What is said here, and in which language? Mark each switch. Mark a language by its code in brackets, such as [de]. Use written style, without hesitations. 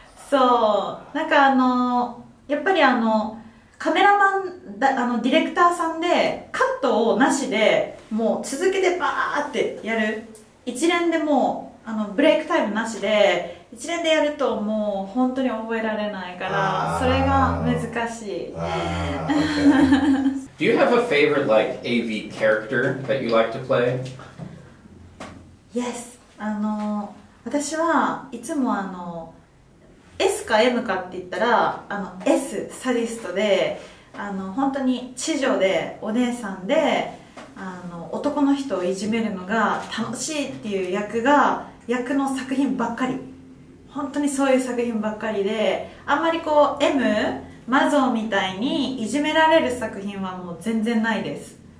[ja] そう、なんかやっぱりカメラマンだ、ディレクターさんでカットをなしでもう続けてバーってやる、一連でもうブレイクタイムなしで一連でやると、もう本当に覚えられないから、それが難しい。 [en] Do you have a favorite like AV character that you like to play? Yes. [ja] 私はいつもS か M かって言ったら、S、サディストで、あの本当に地上でお姉さんで、あの男の人をいじめるのが楽しいっていう役が役の作品ばっかり、本当にそういう作品ばっかりで、あんまりこう M マゾンみたいにいじめられる作品はもう全然ないです。